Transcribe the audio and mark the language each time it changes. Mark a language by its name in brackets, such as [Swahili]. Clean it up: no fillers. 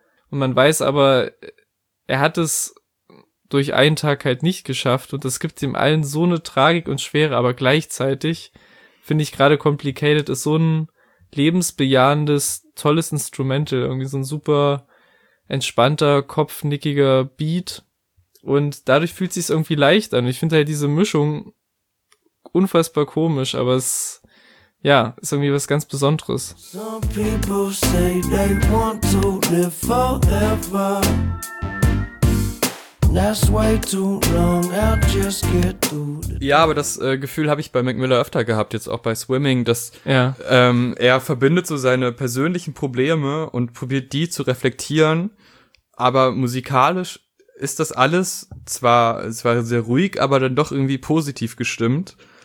[German] und man weiß aber, er hat es durch einen Tag halt nicht geschafft und das gibt ihm allen so eine Tragik und Schwere, aber gleichzeitig finde ich gerade Complicated ist so ein lebensbejahendes, tolles Instrumental, irgendwie so ein super entspannter, kopfnickiger Beat und dadurch fühlt sich's irgendwie leicht an. Ich finde halt diese Mischung unfassbar komisch, aber es ja, ist irgendwie was ganz Besonderes. [English] Some people say they want to live forever. That's way too long, I'll just get through the... [German] Ja, aber das Gefühl habe ich bei Mac Miller öfter gehabt, jetzt auch bei Swimming, dass ja. Er verbindet so seine persönlichen Probleme und probiert die zu reflektieren, aber musikalisch ist das alles zwar sehr ruhig, aber dann doch irgendwie positiv gestimmt.